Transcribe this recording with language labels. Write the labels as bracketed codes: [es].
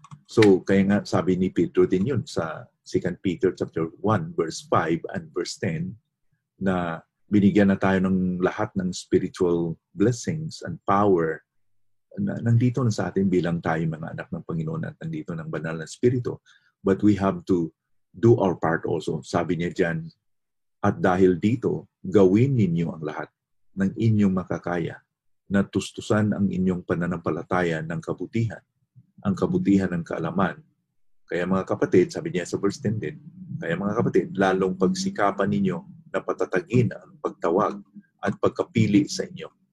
[tl] So, kaya nga sabi ni Pedro din yun sa 2 Peter chapter 1, verse 5 and verse 10 na binigyan na tayo ng lahat ng [en] spiritual blessings and power [tl] na nandito na sa atin bilang tayo mga anak ng Panginoon at nandito ng banal na Espiritu. [en] But we have to do our part also. [tl] Sabi niya dyan, at dahil dito, gawin ninyo ang lahat ng inyong makakaya na tustusan ang inyong pananampalataya ng kabutihan, ang kabutihan ng kaalaman. Kaya mga kapatid, sabi niya sa verse 10 din, kaya mga kapatid, lalong pagsikapan ninyo na patatagin ang pagtawag at pagkapili sa inyo.